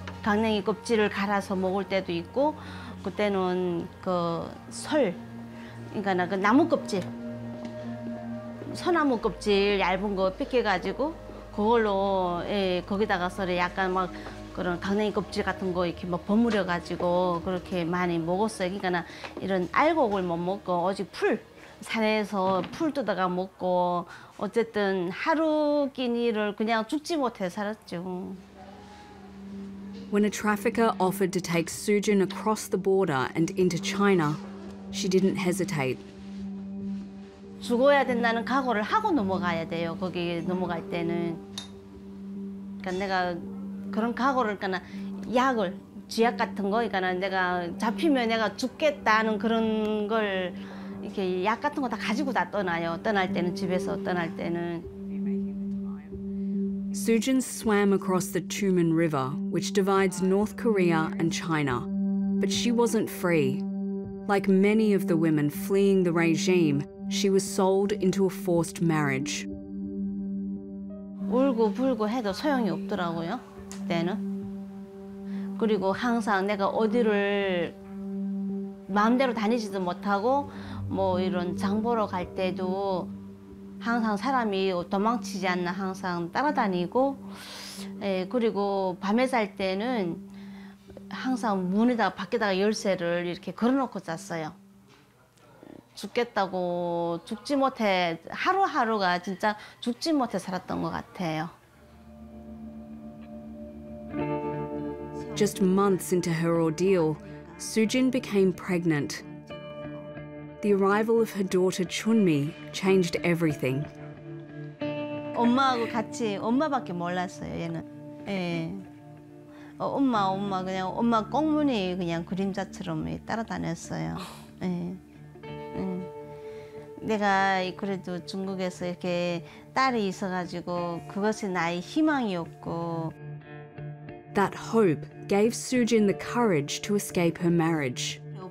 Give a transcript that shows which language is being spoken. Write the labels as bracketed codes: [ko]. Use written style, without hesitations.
[ko] 강냉이 껍질을 갈아서 먹을 때도 있고 그때는 그 설 그러니까 그 나무 껍질 소나무 껍질 얇은 거 삐끼 가지고 그걸로 예 거기다가서 약간 막 그런 강냉이 껍질 같은 거 이렇게 막 버무려 가지고 그렇게 많이 먹었어요. 그러니까 이런 알곡을 못 먹고 오직 풀 산에서 풀 뜯어가 먹고 어쨌든 하루 끼니를 그냥 죽지 못해 살았죠. [en] When a trafficker offered to take Soo Jin across the border and into China, she didn't hesitate. [ko] 죽어야 된다는 각오를 하고 넘어가야 돼요. 거기 넘어갈 때는 그러니까 내가 그런 각오를 그러니까 약을 지약 같은 거 그러니까 내가 잡히면 내가 죽겠다는 그런 걸 이렇게 약 같은 거 다 가지고 다 떠나요. 떠날 때는 집에서 떠날 때는 [en] Soo Jin swam across the Tumen River, which divides North Korea and China. But she wasn't free. Like many of the women fleeing the regime, she was sold into a forced marriage. [ko] 울고 불고 해도 소용이 없더라고요. 때는 그리고 항상 내가 어디를 마음대로 다니지도 못하고 뭐 이런 장 보러 갈 때도 항상 사람이 도망치지 않나 항상 따라다니고 예 그리고 밤에 잘 때는 항상 문에다가 밖에다가 열쇠를 이렇게 걸어놓고 잤어요. 죽겠다고 죽지 못해 하루하루가 진짜 죽지 못해 살았던 것 같아요. [en] Just months into her ordeal, Soo Jin became pregnant. The arrival of her daughter Chunmi changed everything. [ko] 엄마하고 같이 엄마밖에 몰랐어요 얘는. 예. 엄마 그냥 엄마 꽁무니 그냥 그림자처럼 따라다녔어요. 예. 내가 그래도 중국에서 이렇게 딸이 있어가지고 그것이 나의 희망이었고. [en] That hope gave Soo Jin the courage to escape her marriage.